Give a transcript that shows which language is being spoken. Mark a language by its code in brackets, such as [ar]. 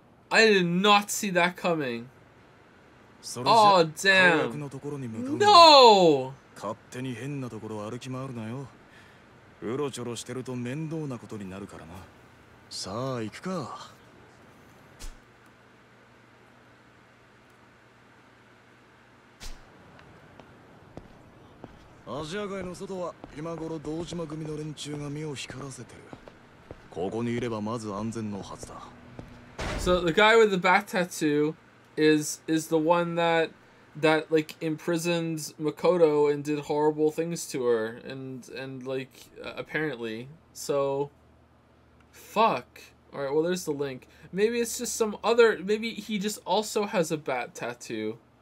[en] I did not see that coming. Oh, damn. No. [ja] 勝手に変なところ歩き回るなよ。うろちょろしてると面倒なことになるからな。さあ行くか。アジア街の外は今頃堂島組の連中が目を光らせてる。ここにいればまず安全のはずだ。 [en] So the guy with the back tattoo is the one that like imprisoned Makoto and did horrible things to her and like apparently. So fuck. All right, well there's the link. Maybe it's just some other, maybe he just also has a bat tattoo.